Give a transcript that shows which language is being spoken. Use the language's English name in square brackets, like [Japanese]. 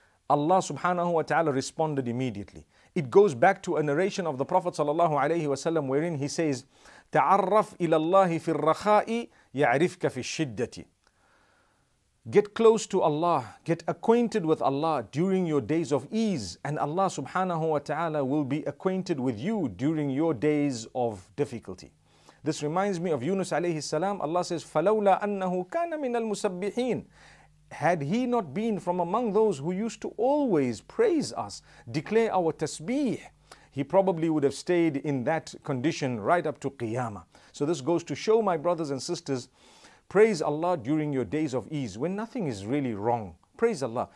[English] Allah subhanahu wa ta'ala responded immediately. It goes back to a narration of the Prophet sallallahu alayhi wa sallam wherein he says, [Arabic] تعرف إلى الله في الرخاء يعرفك في الشدة. [English] Get close to Allah, get acquainted with Allah during your days of ease, and Allah subhanahu wa ta'ala will be acquainted with you during your days of difficulty. This reminds me of Yunus alayhi salam. Allah says, [Arabic] فَلَوْلَا أَنَّهُ كَانَ مِنَ الْمُسَبِّحِينَ. [English] Had he not been from among those who used to always praise us, declare our tasbih, he probably would have stayed in that condition right up to Qiyamah. So this goes to show, my brothers and sisters, praise Allah during your days of ease when nothing is really wrong. Praise Allah.